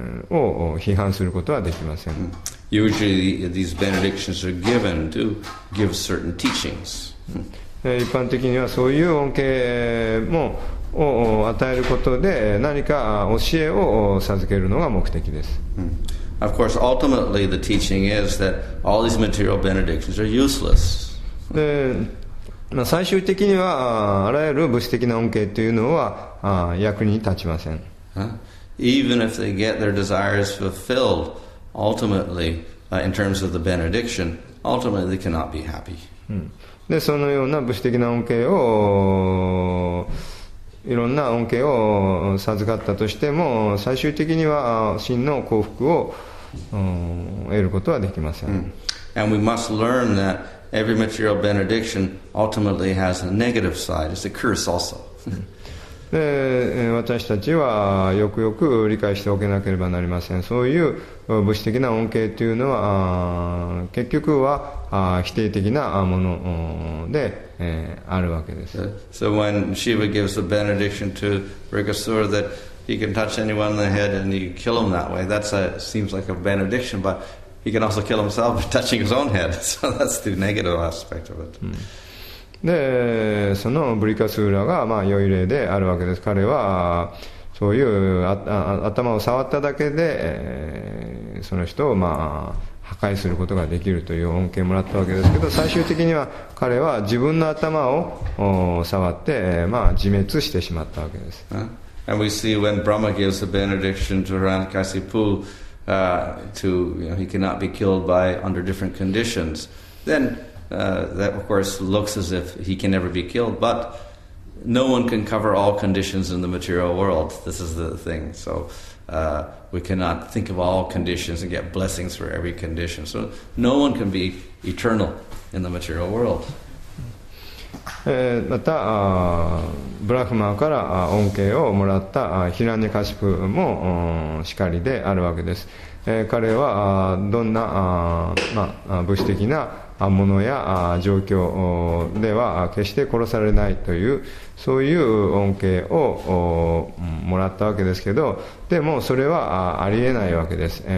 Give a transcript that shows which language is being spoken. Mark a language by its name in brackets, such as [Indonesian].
[Japanese] を批判することはできません。 [English] Usually these benedictions are given to give certain teachings. [Japanese] 一般的にはそういう恩恵もを与えることで何か教えを授けるのが目的です。 [English] Of course, ultimately the teaching is that all these material benedictions are useless. [Japanese] で、まあ、最終的にはあらゆる物質的な恩恵というのは役に立ちません。 [English] Even if they get their desires fulfilled, ultimately, in terms of the benediction, ultimately they cannot be happy. [Japanese] で、そのような物質的な恩恵を、いろんな恩恵を授かったとしても、最終的には真の幸福を得ることはできません。 [English] And we must learn that every material benediction ultimately has a negative side. It's a curse also. [Japanese] で私たちはよくよく理解しておけなければなりません。そういう物質的な恩恵というのは結局は否定的なものであるわけです。 [English] So when Shiva gives the benediction to Rikasura that he can touch anyone in the head and you kill him that way, that seems like a benediction, but he can also kill himself by touching his own head. So that's the negative aspect of it. [Japanese] でそのブリカスーラがまあ良い例であるわけです。彼はそういう頭を触っただけでその人をまあ破壊することができるという恩恵をもらったわけですけど、最終的には彼は自分の頭を触ってまあ自滅してしまったわけです。 [English] And we see when Brahma gives the benediction to Hiranyakasipu to, you know, he cannot be killed by under different conditions, thenthat of course looks as if he can never be killed, but no one can cover all conditions in the material world. This is the thing. So we cannot think of all conditions and get blessings for every condition. So no one can be eternal in the material world. [Japanese] またブラフマから恩恵をもらったヒラニカシプもしかりであるわけです。彼はどんな物質的なものや状況では決して殺されないというそういう恩恵をもらったわけですけど、でもそれはありえないわけです。